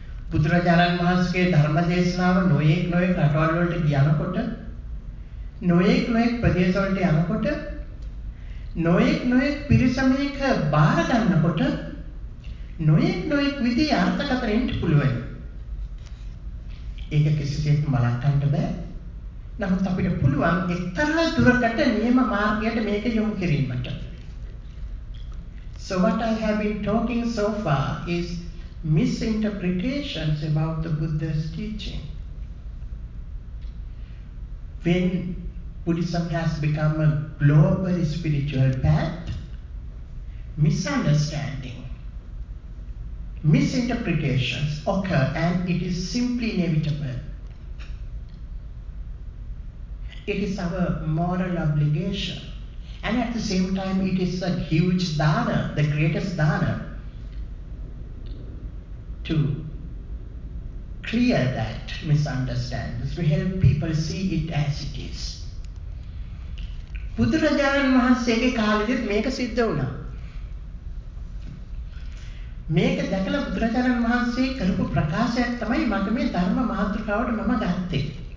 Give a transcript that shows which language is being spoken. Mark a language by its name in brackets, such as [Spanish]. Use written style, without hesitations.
[Sinhala] බුදුරජාණන් වහන්සේගේ ධර්ම දේශනාව නොයෙක් නොයෙක් රටවල් වලට යනකොට නොයෙක් නොයෙක් ප්‍රදේශ වලට යනකොට නොයෙක් නොයෙක් පිරිසමයක බාර ගන්නකොට නොයෙක් නොයෙක් විදිහ අර්ථකථනයෙන් පුළුවන්. ඒක කිසිසේත් මලක්කට බෑ. නමුත් අපිට පුළුවන් එක්තරා දුරකට නියම මාර්ගයට මේක යොමු කිරීමට. [English] So what I have been talking so far is misinterpretations about the Buddha's teaching. When Buddhism has become a global spiritual path, misunderstanding, misinterpretations occur, and it is simply inevitable. It is our moral obligation, and at the same time it is a huge dana, the greatest dana, to clear that misunderstanding, to help people see it as it is. [Sinhala] බුදුරජාණන් වහන්සේගේ කාලෙදිත් මේක සිද්ධ වුණා. මේක දැකලා බුදුරජාණන් වහන්සේ කරපු ප්‍රකාශයක් තමයි මම මේ ධර්ම මාතෘකාවට මම ගත්තේ.